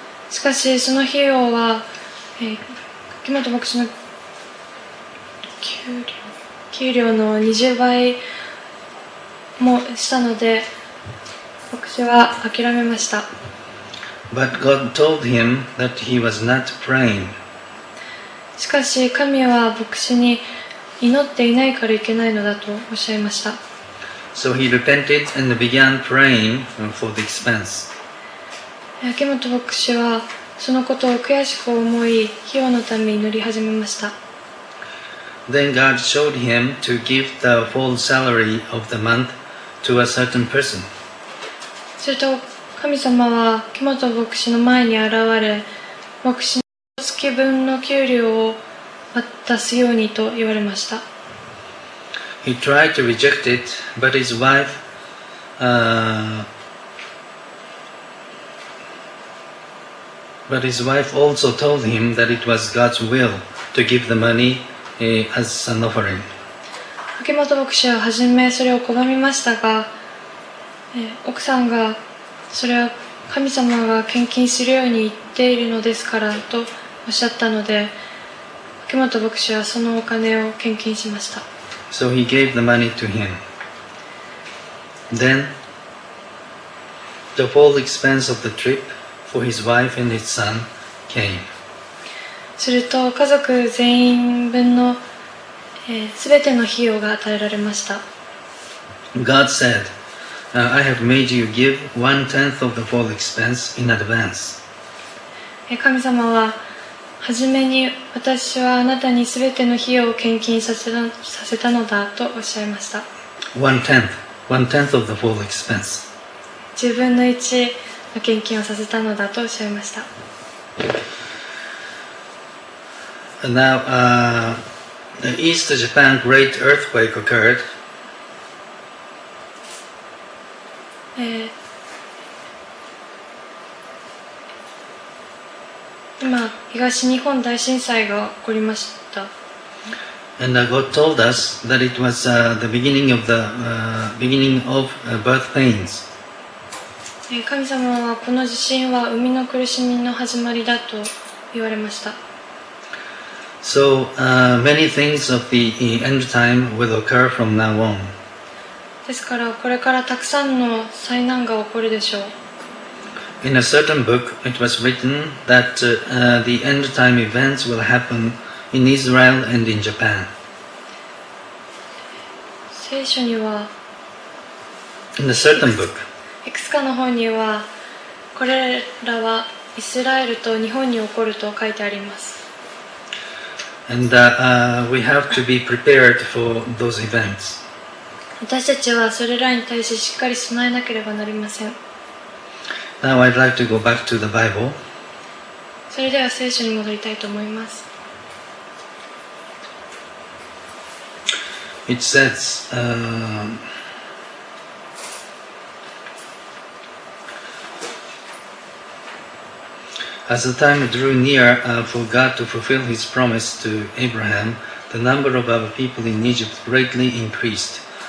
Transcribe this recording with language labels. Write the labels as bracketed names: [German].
[Japanese] しかしその費用は、秋元牧師の給料の20倍もしたので、牧師は諦めました。 [English] But God told him that he was not praying. [Japanese] しかし神は牧師に祈っていないからいけないのだとおっしゃいました。 [English] So he repented and began praying for the expense. [Japanese] 秋元牧師はそのことを悔しく思い費用のために祈り始めました。 [English] Then God showed him to give the full salary of the month to a certain person. [Japanese] すると神様は秋元牧師の前に現れ、牧師月分の給料を渡すようにと言われました。 [English] He tried to reject it, but his wife, also told him that it was God's will to give the money as an offering. [Japanese] 秋元牧師は初めそれを拒みましたが、奥さんがそれは神様が献金するように言っているのですからとおっしゃったので、秋元牧師はそのお金を献金しました。 [English] So he gave the money to him. Then the full expense of the trip for his wife and his son came. [Japanese] すると家族全員分の、全ての費用が与えられました。 [English] God said, I have made you give one tenth of the full expense in advance. [Japanese] 神様は、はじめに私はあなたにすべての費用を献金させたのだとおっしゃいました。 [English] One tenth of the full expense. [Japanese] 十分の一の献金をさせたのだとおっしゃいました。 [English] Now, the East Japan Great Earthquake occurred. [Japanese] 今東日本大震災が起こりました。 [English] And God told us that it was the beginning of the beginning of birth pains. [Japanese] 神様はこの地震は生みの苦しみの始まりだと言われました。 [English] So many things of the end time will occur from now on. [Japanese] ですからこれからたくさんの災難が起こるでしょう。 [English] In a certain book, it was written that the end time events will happen in Israel and in Japan. [Japanese] 聖書には [English] In a certain book. [Japanese] いくつかの本にはこれらはイスラエルと日本に起こると書いてあります。 [English] And we have to be prepared for those events. [Japanese] 私たちはそれらに対してしっかり備えなければなりません。 [English] Now I'd like to go back to the Bible. [Japanese] それでは聖書に戻りたいと思います。 [English] It says, as the time drew near for God to fulfill His promise to Abraham, the number of our people in Egypt greatly increased.